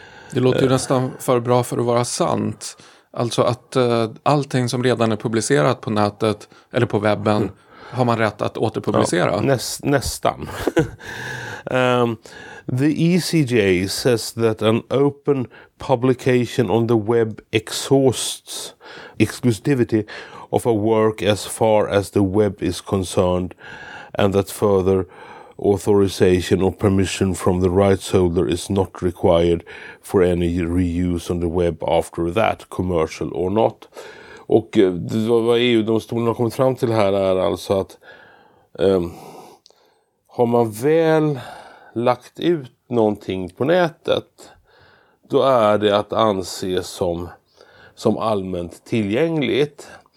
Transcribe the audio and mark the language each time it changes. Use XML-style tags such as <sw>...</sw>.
<sv>Det låter ju nästan för bra för att vara sant. Alltså att allting som redan är publicerat på nätet eller på webben har man rätt att återpublicera. Ja, nästan.</sv> <en>The ECJ says that an open publication on the web exhausts exclusivity of a work as far as the web is concerned, and that further authorization or permission from the rights holder is not required for any reuse on the web after that, commercial or not.</en> <sv>Och vad EU-domstolen har kommit fram till här är alltså att har man väl lagt ut någonting på nätet, då är det att anse som allmänt tillgängligt.</sv>